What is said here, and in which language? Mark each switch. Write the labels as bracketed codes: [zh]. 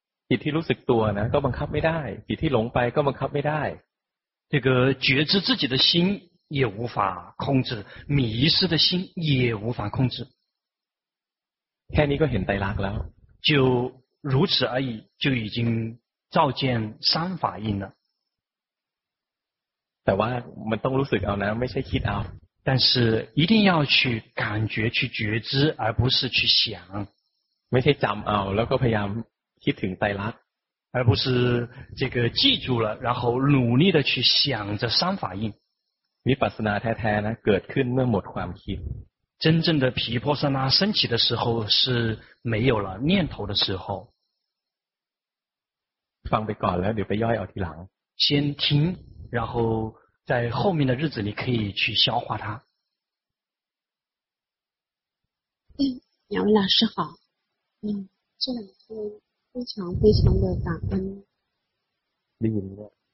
[th] จิตที่รู้สึกตัวนะก็บังคับไม่ได้จิตที่หลงไปก็บังคับไม่ได้ [zh] 这个觉知自己的心也无法控制迷失的心也无法控制 [th] แค่นี้ก็เห็นไตรลักษณ์แล้ว [zh] 就如此而已就已经照见三法印了 [th] แต่ว่ามันต้องรู้สึกเอานะไม่ใช่คิดเอา [zh] 但是一定要去感觉去觉知而不是去想 [th] ไม่ใช่จำเอาแล้วก็พยายามคิดถึงไตรลักษณ์ [zh] 而不是这个记住了然后努力的去想着三法印 [th] วิปัสสนาแท้ๆนะเกิดขึ้นเมื่อหมดความคิด [zh] 真正的毗婆舍那升起的时候是没有了念头的时候 [th] ฟังไปก่อนแล้วเดี๋ยวไปย่อยเอาทีหลัง [zh] 先听然后在后面的日子你可以去消化它两位老师好这两天非常非常的感恩你赢了